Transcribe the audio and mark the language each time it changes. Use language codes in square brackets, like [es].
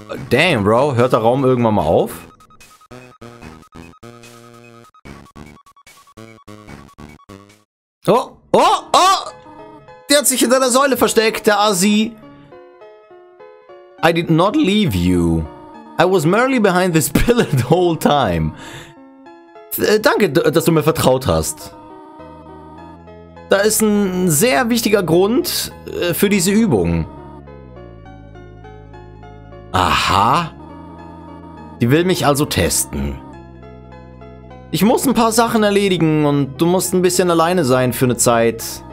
[de] Damn, Bro, hört der Raum irgendwann mal auf? Oh, oh, oh! Der hat sich hinter der Säule versteckt, der Assi. [en] I did not leave you. I was merely behind this pillar the whole time. [de] Danke, dass du mir vertraut hast. Da ist ein sehr wichtiger Grund für diese Übung. Aha. Die will mich also testen. Ich muss ein paar Sachen erledigen und du musst ein bisschen alleine sein für eine Zeit.